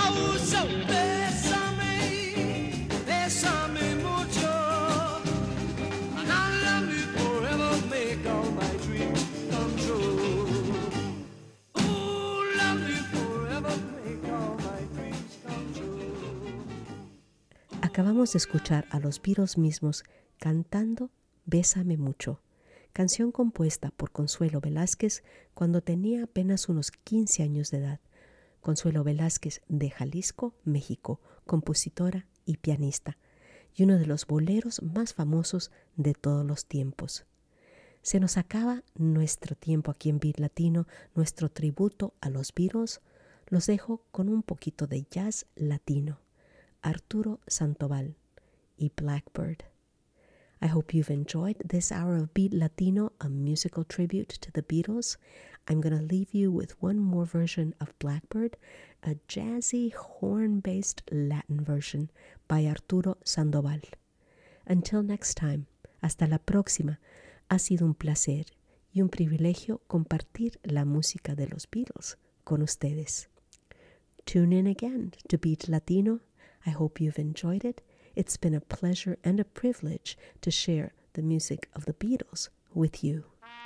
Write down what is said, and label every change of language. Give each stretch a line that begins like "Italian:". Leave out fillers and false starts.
English: Oh, so
Spanish: bésame, bésame mucho.
English: And I'll love you forever, make all my dreams come true. Oh, love you forever, make all my dreams come true.
Spanish: Acabamos de escuchar a los Beatles mismos cantando Bésame Mucho, canción compuesta por Consuelo Velázquez cuando tenía apenas unos 15 años de edad. Consuelo Velázquez de Jalisco, México, compositora y pianista, y uno de los boleros más famosos de todos los tiempos. Se nos acaba nuestro tiempo aquí en Beat Latino, nuestro tributo a los Beatles. Los dejo con un poquito de jazz latino. Arturo Santoval y Blackbird.
English: I hope you've enjoyed this hour of Beat Latino, a musical tribute to the Beatles. I'm going to leave you with one more version of Blackbird, a jazzy horn-based Latin version by Arturo Sandoval. Until next time,
Spanish: hasta la próxima. Ha sido un placer y un privilegio compartir la música de los Beatles con ustedes.
English: Tune in again to Beat Latino. I hope you've enjoyed it. It's been a pleasure and a privilege to share the music of the Beatles with you.